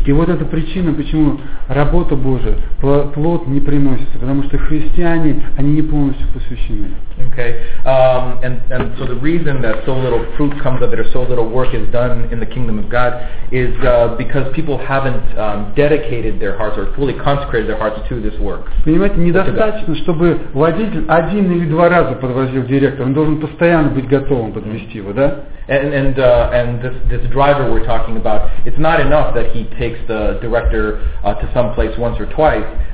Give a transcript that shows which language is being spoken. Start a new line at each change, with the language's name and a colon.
Russian: И вот это причина, почему работа Божия, плод не приносится, потому что христиане, они не полностью посвящены.
English: Okay, and so the reason that so little fruit comes of it, or so little work is done in the kingdom of God, is because people haven't dedicated their hearts, or fully consecrated their hearts to this work.
Russian: Понимаете, недостаточно, чтобы водитель один или два раза подвозил директора, он должен постоянно быть готовым подвести его, да?
English: And this driver we're talking about, it's not enough that he takes the director to some place once or twice.